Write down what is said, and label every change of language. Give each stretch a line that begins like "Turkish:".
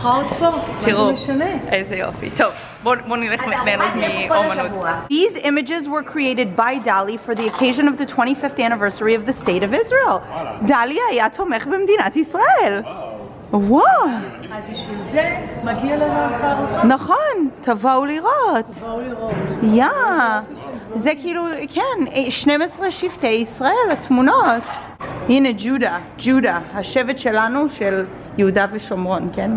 Hebrew: אבל הגענו. הנה התערוכה עוד פה. תראו, איזה יופי. טוב, בואו נלך מהנות מאומנות.
English: These images were created by Dali for the occasion of the 25th anniversary of the State of Israel.
Hebrew: Dali היה תומך במדינת ישראל. וואו! אז בשביל זה מגיע לנו התערוכה. נכון, תבואו לראות. יא! זה כאילו, כן, 12 שבטי ישראל, התמונות. הנה ג'ודה, ג'ודה, השבט שלנו של יהודה ושומרון, כן?